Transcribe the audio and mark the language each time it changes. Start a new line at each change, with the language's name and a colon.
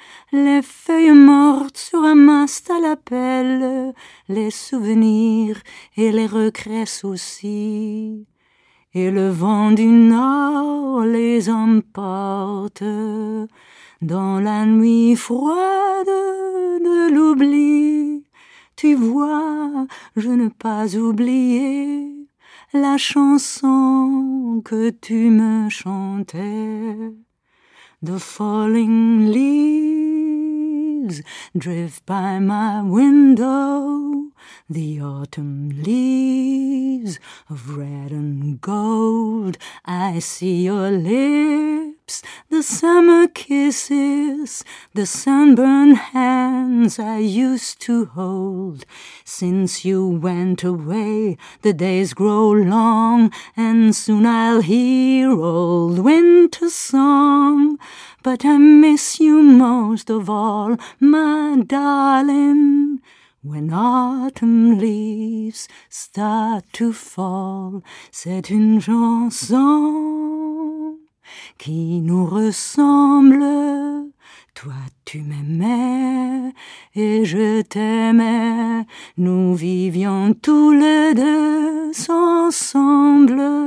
French: Les feuilles mortes sur un mast à la pelle, les souvenirs et les regrets aussi. Et le vent du nord les emporte dans la nuit froide de l'oubli. Tu vois, je n'ai pas oublié. La chanson que tu me chantais,
English: The falling leaves drift by my window, The autumn leaves of red and gold, I see your lips, the summer kisses, the sunburned hands I used to hold. Since you went away, the days grow long, and soon I'll hear old winter song. But I miss you most of all, my darling, when autumn leaves start to fall.
French: C'est une chanson qui nous ressemble. Toi, tu m'aimais et je t'aimais. Nous vivions tous les deux ensemble.